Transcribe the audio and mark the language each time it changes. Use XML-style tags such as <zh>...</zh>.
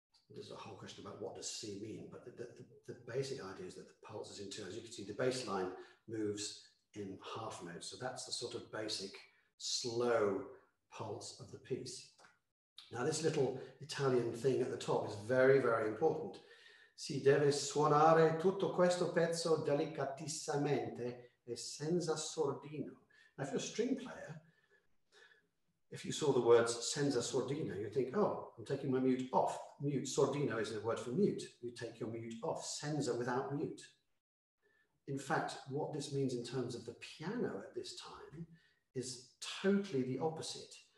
<en>there's a whole question about what does C mean, but the basic idea is that the pulse is in two. As you can see, the bass line moves in half mode, so that's the sort of basic slow pulse of the piece. Now, this little Italian thing at the top is very, very important.</en> <it>Si deve suonare tutto questo pezzo delicatissimamente e senza sordino.</it> <en>Now, if you're a string player, if you saw the words senza sordino, you think, oh, I'm taking my mute off. Mute, sordino is a word for mute. You take your mute off, senza without mute. In fact, what this means in terms of the piano at this time is totally the opposite.</en>